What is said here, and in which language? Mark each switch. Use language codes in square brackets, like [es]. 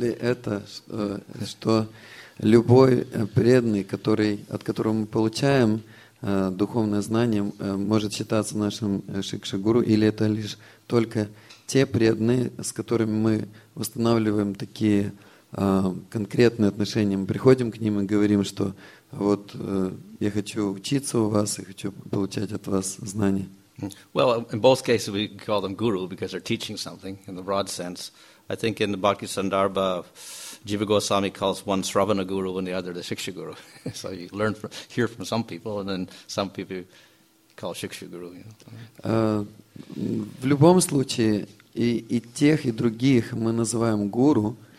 [ru] ли это, что любой преданный, от которого мы получаем духовное знание, может считаться нашим шикшагуру, или это лишь только те преданные, с которыми мы восстанавливаем такие конкретные отношения? Мы приходим к ним и говорим, что вот я хочу учиться у вас и хочу получать от вас знания. [en] Well, in both cases we call them guru because they're teaching something in the broad sense. I think in the Bhakti Sandarbha, Jiva Goswami calls one Sravana Guru and the other the Shiksha Guru. So you hear from some people, and then some people call Shiksha Guru. You know. [ru] В любом случае, и тех, и других мы называем гуру.